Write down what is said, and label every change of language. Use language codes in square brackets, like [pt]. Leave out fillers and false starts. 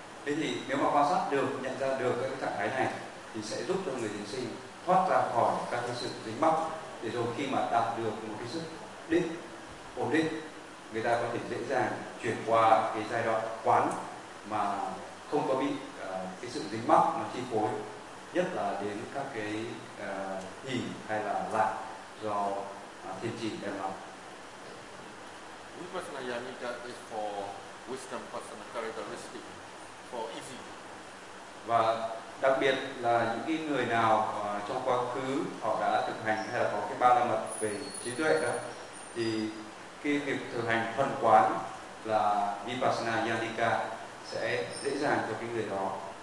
[vi] Thế thì nếu mà quan sát được, nhận ra được cái trạng thái này thì sẽ giúp cho người thiền sinh thoát ra khỏi các cái sự dính mắc, để rồi khi mà đạt được một cái sức định ổn định, người ta có thể dễ dàng chuyển qua cái giai đoạn quán mà không có bị cái sự dính mắc mà chi phối, nhất là đến các cái hỉ hay là lạc do thiền chỉ đem lại. [en] Vipassana Jnanika is for wisdom personal characteristic, for easy. [vi] Và đặc biệt là những cái người nào trong quá khứ họ đã thực hành hay là có cái ba la mật về trí tuệ đó, thì cái việc thực hành thuần quán là Vipassana Jnanika sẽ dễ dàng cho cái người đó.